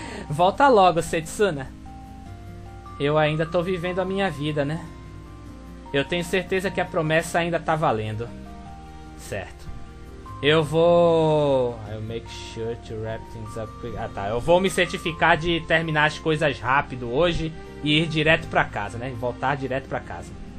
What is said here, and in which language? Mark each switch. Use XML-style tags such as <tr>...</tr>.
<pt>Volta logo, Setsuna. Eu ainda tô vivendo a minha vida, né? Eu tenho certeza que a promessa ainda tá valendo. Certo. Eu vou...</pt> <en>I'll make sure to wrap things up quick.</en> <pt>Ah, tá. Eu vou me certificar de terminar as coisas rápido hoje e ir direto pra casa, né? Voltar direto pra casa.</pt>